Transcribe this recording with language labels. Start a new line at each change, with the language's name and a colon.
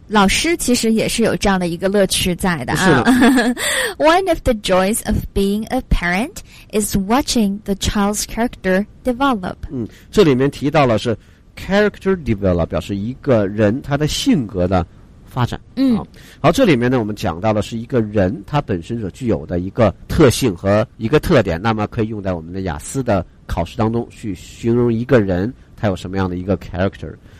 Chinese: 老师其实也是有这样的一个乐趣在的啊是的
English: One of the joys of being a parent is watching the child's character develop
Chinese: 这里面提到了是 character develop 表示一个人他的性格的发展好这里面呢我们讲到的是一个人他本身所具有的一个特性和一个特点那么可以用在我们的雅思的考试当中去形容一个人他有什么样的一个 character